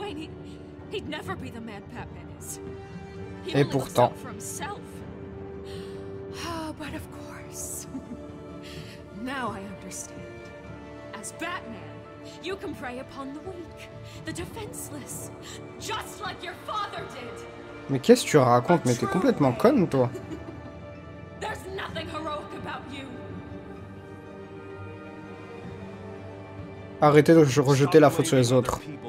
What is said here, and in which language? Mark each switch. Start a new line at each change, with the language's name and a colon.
English: Wayne, he'd never be the man Batman is. He
French: Et pourtant.
English: For himself. Oh, but of course. Now I understand. As Batman, you can prey upon the weak. The defenseless, just like your father did.
French: Mais qu'est-ce que tu racontes? Mais t'es complètement conne, toi.
English: There's nothing heroic about you.
French: Arrêtez de rejeter la faute sur les autres.